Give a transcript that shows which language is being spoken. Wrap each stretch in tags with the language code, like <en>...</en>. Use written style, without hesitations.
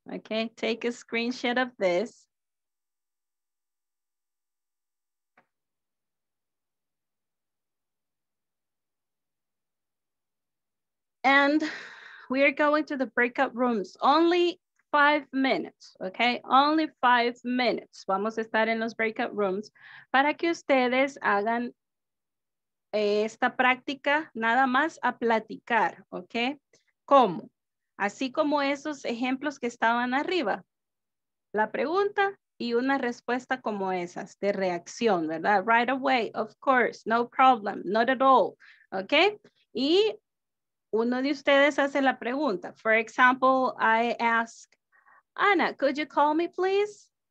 <en>Okay, take a screenshot of this. And we are going to the breakout rooms. Only 5 minutes, okay? Only 5 minutes.</en> <es>Vamos a estar en los breakout rooms para que ustedes hagan esta práctica nada más a platicar, okay? ¿Cómo? Así como esos ejemplos que estaban arriba. La pregunta y una respuesta como esas, de reacción, ¿verdad?</es> <en>Right away, of course, no problem, not at all, okay?</en> <es>Y uno de ustedes hace la pregunta.</es> <en>For example, I ask, Ana, could you call me, please?</en>